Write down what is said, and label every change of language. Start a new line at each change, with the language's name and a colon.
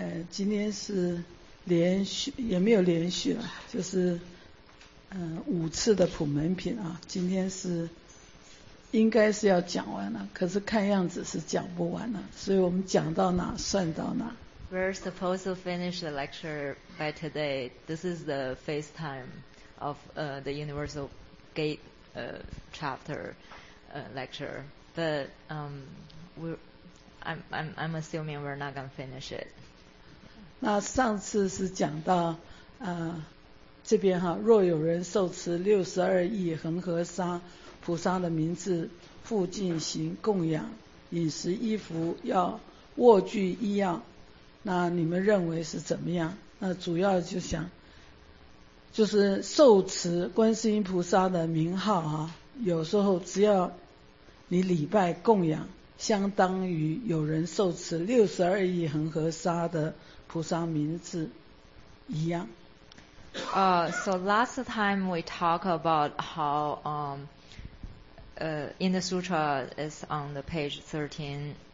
Chinese: 今天是连续，也没有连续了，就是五次的普门品啊。今天是应该是要讲完了，可是看样子是讲不完了，所以我们讲到哪算到哪。
English: We're supposed to finish the lecture by today. This is the first time of the Universal Gate chapter lecture, but I'm assuming we're not gonna finish it.
Chinese: 那上次是讲到这边哈，若有人受持六十二亿恒河沙菩萨的名字，复进行供养、饮食、衣服，要卧具一样。那你们认为是怎么样？那主要就想，就是受持观世音菩萨的名号啊，有时候只要你礼拜供养，相当于有人受持六十二亿恒河沙的菩萨名字一样。
English: So last time we talk about how in the sutra is on the page 13.